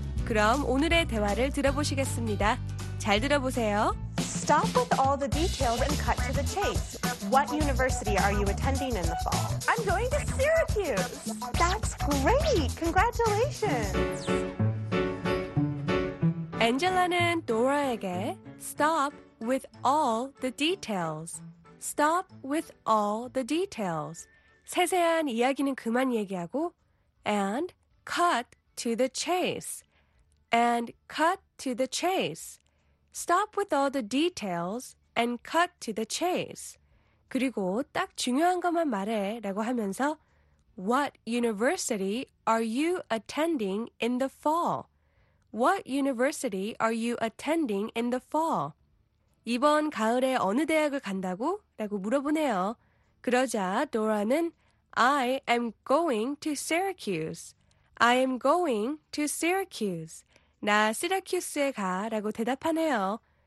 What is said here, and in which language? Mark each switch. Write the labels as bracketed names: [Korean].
[Korean] 그럼 오늘의 대화를 들어보시겠습니다. 잘 들어보세요. [English] Stop with all the details and cut to the chase. What university are you attending in the fall? I'm going to Syracuse. That's great. Congratulations. [Korean] Angela는 Dora에게 [English] stop with all the details. Stop with all the details. [Korean] 세세한 이야기는 그만 얘기하고 [English] and cut to the chase and cut to the chase stop with all the details and cut to the chase [Korean] 그리고 딱 중요한 것만 말해 라고 하면서 [English] what university are you attending in the fall? What university are you attending in the fall? [Korean] 이번 가을에 어느 대학을 간다고? 라고 물어보네요. 그러자 도라는 [English] I am going to Syracuse. I am going to Syracuse. [Korean] 나 시라큐스에 가라고 대답하네요.